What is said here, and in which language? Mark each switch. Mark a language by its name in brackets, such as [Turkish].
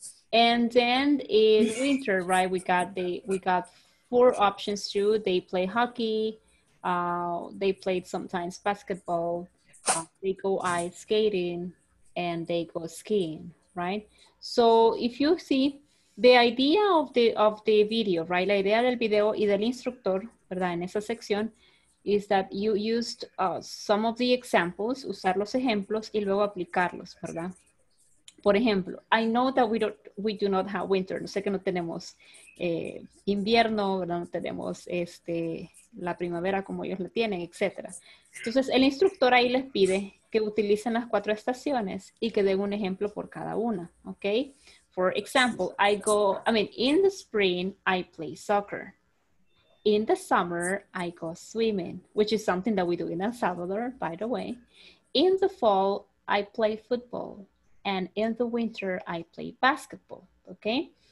[English] And then in winter, right, we got four options too. They play hockey, they play sometimes basketball, they go ice skating, and they go skiing, right? So if you see, the idea of the video, right? [Spanish] La idea del video y del instructor, ¿verdad? En esa sección, [English] is that you used some of the examples, [Spanish] usar los ejemplos y luego aplicarlos, ¿verdad? Por ejemplo, [English] I know that we do not have winter. [Spanish] No sé que no tenemos invierno, ¿verdad? No tenemos la primavera como ellos la tienen, etc. Entonces, el instructor ahí les pide que utilicen las cuatro estaciones y que den un ejemplo por cada una, ¿ok? [English] For example, in the spring, I play soccer. In the summer, I go swimming, which is something that we do in El Salvador, by the way. In the fall, I play football. And in the winter, I play basketball, okay?